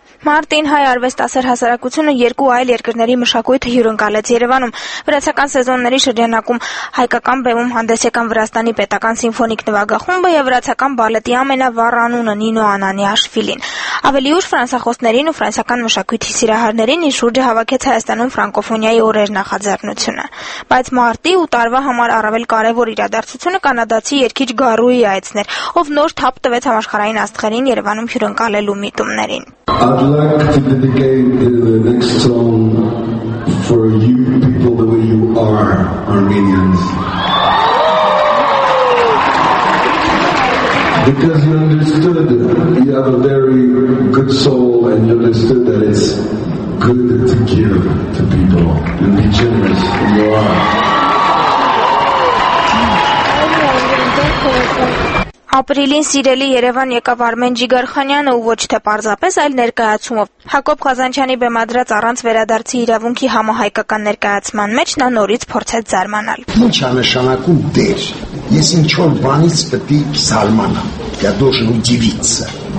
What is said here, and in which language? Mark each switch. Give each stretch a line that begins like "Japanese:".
Armenian: Մարտին հայ արվեստասեր հասարակությունը երկու այլ երկրների մշակույթը հյուրընկալեց Երևանում։ Վրացական սեզոնների շրջանակում հայկական բեմում հանդես եկան Վրաստանի պետական սիմֆոնիկ նվագախումբը եւ վրացական բալետի ամենավառ անունը Նինո Անանիաշվիլին։ Ավելի ուշ ֆրանսախոսներին ու ֆրանսական մշակույթի սիրահարներին ի շուրջը հավաքեց Հայաստանում ֆրանկոֆոնիայի օրեր նախաձեռնությունը։ Բայց մարտի ու տարվա համար առավել կարևոր իրադարձությունը կանադացի երգիչ Գարուի այցներ, ով նոր թափ տվեց համաշխարհային աստղերին Երևանում հյուրընկալելու միտումներին։
English: I'd like to dedicate the next song for you people the way you are, Armenians. Because you understood you have a very good soul and you understood that it's good to give to people and be generous and you are.
Armenian: Ապրիլին սիրելի Երևան եկավ Արմեն Ջիգարխանյանը ու ոչ թե պարզապես, այլ ներկայացումով։ Հակոբ Ղազանչյանի բեմադրած առանց վերադարձի իրավունքի համահայկական ներկայացման մեջ նա նորից փորձեց զարմանալ։ Ինչ անշանակում դեր։ Ես ինչոր բանից պիտի զարմանամ։
Russian: Я должен удивиться.